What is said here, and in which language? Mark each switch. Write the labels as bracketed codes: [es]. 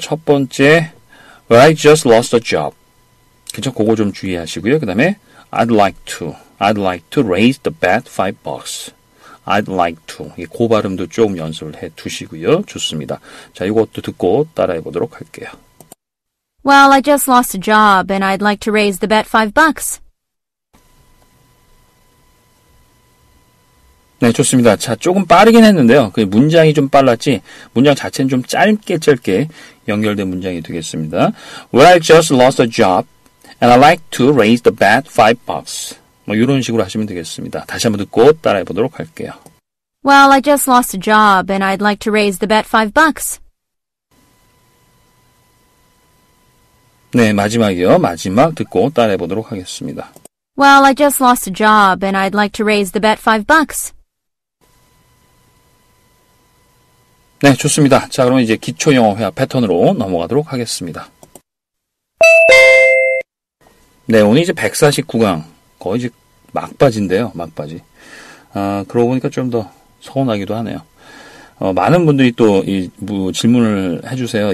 [ko] 첫 번째 [en] Well, I just lost a job. [ko] 그렇죠? 그거 좀 주의하시고요. 그 다음에 [en] I'd like to raise the bat $5. I'd like to. [ko] 그 발음도 조금 연습을 해 두시고요. 좋습니다. 자, 이것도 듣고 따라해 보도록 할게요. [en] Well, I just lost a job and I'd like to raise the bet $5. [ko] 네, 좋습니다. 자, 조금 빠르긴 했는데요. 그 문장이 좀 빨랐지, 문장 자체는 좀 짧게 연결된 문장이 되겠습니다. [en] Well, I just lost a job and I'd like to raise the bet $5. [ko] 뭐 이런 식으로 하시면 되겠습니다. 다시 한번 듣고 따라해 보도록 할게요. [en] Well, I just lost a job and I'd like to raise the bet $5. [ko] 네, 마지막이요. 마지막 듣고 따라해 보도록 하겠습니다. [en] Well, I just lost a job and I'd like to raise the bet $5. [ko] 네, 좋습니다. 자, 그럼 이제 기초 영어 회화 패턴으로 넘어가도록 하겠습니다. 네, 오늘 이제 149강. 거의 이제 막바지인데요, 막바지. 그러고 보니까 좀 더 서운하기도 하네요. 많은 분들이 또 이, 뭐 질문을 해주세요.